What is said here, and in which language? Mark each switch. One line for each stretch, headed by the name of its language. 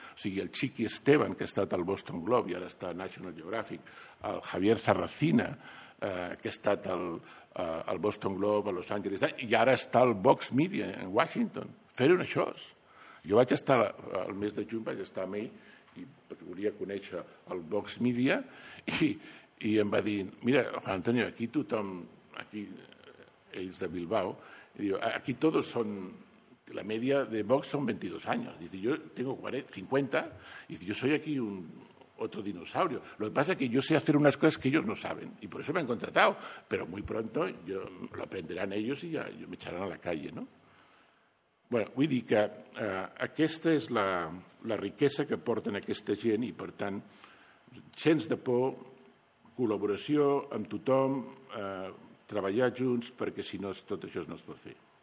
Catalan: O sigui, el Chiqui Esteban, que ha estat al Boston Globe i ara està a National Geographic, el Javier Sarracina, que ha estat al Boston Globe, a Los Angeles, i ara està al Vox Media, en Washington. Fer-ho això. Jo vaig estar al mes de juny, vaig estar amb ell, perquè volia conèixer el Vox Media, i em va dir, mira, Juan Antonio, aquí tothom...
Spanish: aquí ells de Bilbao, y digo, aquí todos son, la media de Vox son 22 años, dice, yo tengo 40, 50, y dice, yo soy aquí un otro dinosaurio. Lo que pasa es que yo sé hacer unas cosas que ellos no saben, y por eso me han contratado, pero muy pronto yo, lo aprenderán ellos y ya yo me echarán a la calle, ¿no?
Catalan: Bueno, vull dir que aquesta és la riquesa que porten aquesta gent, i per tant, gens de por, col·laboració amb tothom, treballar junts, perquè si no tot això no es pot fer.